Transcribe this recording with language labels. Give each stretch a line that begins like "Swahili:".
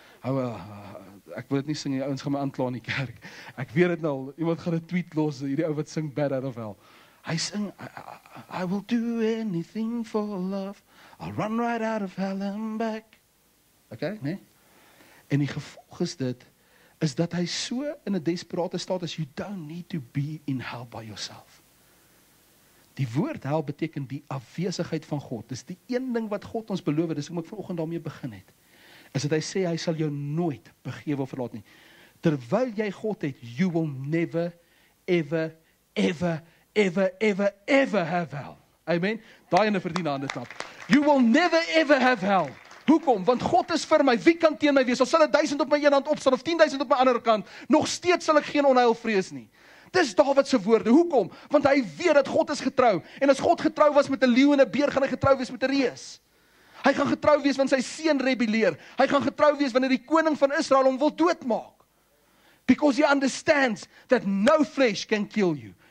Afrikaans: Hou ek wil dit nie sing, die ouens gaan my aankla in die kerk. Ek weet dit nou, iemand gaan 'n tweet los, hierdie ou wat sing Better of Hell. Hy sing
English: I will do anything for love. I'll run right out of hell and back.
Afrikaans: Okay, nee. En die gevolg is dit, is dat hy so in 'n desperate staat is,
English: you don't need to be in hell by yourself.
Afrikaans: Die woord hel beteken die afwesigheid van God. Dis die een ding wat God ons beloof, dis hoe ek vanoggend daarmee begin het. Is dat hy sê, hy sal jou nooit begewe of verlaat nie. Terwyl jy God het,
English: you will never, ever, ever, ever, ever, ever have hell.
Afrikaans: Amen. Daai ene verdien 'n hande klap.
English: You will never, ever have hell.
Afrikaans: Hoekom? Want God is vir my. Wie kan teen my wees? Al sal 1000 op my een hand opstaan of 10000 op my ander kant, nog steeds sal ek geen onheil vrees nie. Dis Dawid se woorde. Hoekom? Want hy weet dat God is getrou. En as God getrou was met 'n leeu en 'n beer, gaan hy getrou wees met 'n reus. Hy gaan getrou wees wanneer sy seun rebelleer. Hy gaan getrou wees wanneer die koning van Israel hom wil doodmaak.
English: Because he understands that no flesh can kill you.